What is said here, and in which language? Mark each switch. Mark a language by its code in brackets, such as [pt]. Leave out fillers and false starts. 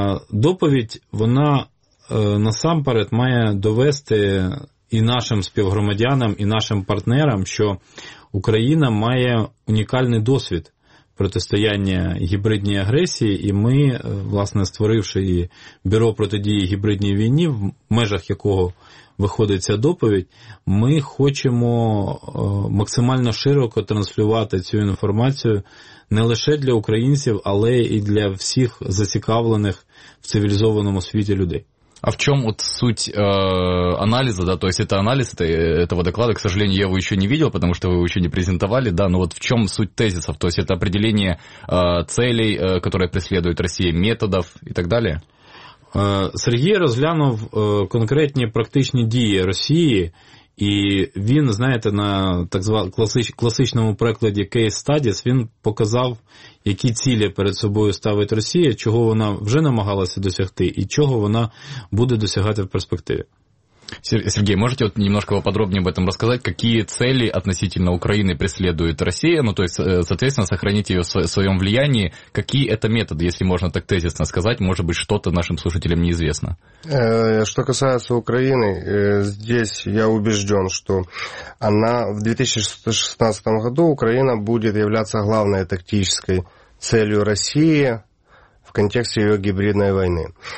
[uk] Доповідь, вона насамперед має довести і нашим співгромадянам, і нашим партнерам, що Україна має унікальний досвід протистояння гібридній агресії, і ми, власне, створивши і бюро протидії гібридній війні, в межах якого виходить ця доповідь, ми хочемо максимально широко транслювати цю інформацію не лише для українців, але і для всіх зацікавлених в цивілізованому світі людей. [ru] А в чем вот суть анализа, да, то есть это анализ этого доклада, к сожалению, я его еще не видел, потому что вы его еще не презентовали, да, но вот в чем суть тезисов, то есть это определение целей, которые преследует Россия, методов и так далее? [uk] Сергей розглянув конкретні практичні дії Росії, і він, знаєте, на так званому класичному прикладі case studies, він показав, які цілі перед собою ставить Росія, чого вона вже намагалася досягти і чого вона буде досягати в перспективі. [ru] Сергей, можете вот немножко поподробнее об этом рассказать, какие цели относительно Украины преследует Россия, ну то есть, соответственно, сохранить ее в своем влиянии, какие это методы, если можно так тезисно сказать, может быть, что-то нашим слушателям неизвестно. Что касается Украины, здесь я убежден, что она в 2016 году Украина будет являться главной тактической целью России в контексте ее гибридной войны.